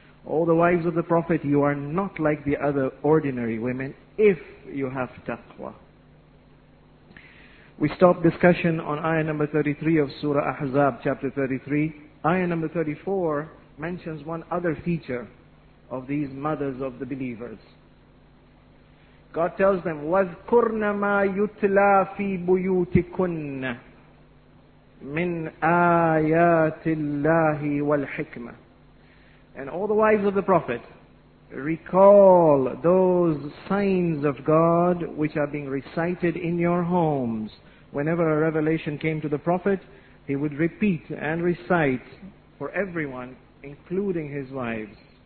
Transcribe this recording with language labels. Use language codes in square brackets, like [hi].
[en] All the wives of the Prophet, you are not like the other ordinary women if you have taqwa. We stop discussion on ayah number 33 of Surah Ahzab, chapter 33. Ayah number 34 mentions one other feature of these mothers of the believers. God tells them, [ar] وَذْكُرْنَ مَا يُتْلَى فِي بُيُوتِكُنَّ مِنْ آيَاتِ اللَّهِ وَالْحِكْمَةِ. [en] And all the wives of the Prophet, recall those signs of God which are being recited in your homes. Whenever a revelation came to the Prophet, he would repeat and recite for everyone, including his wives.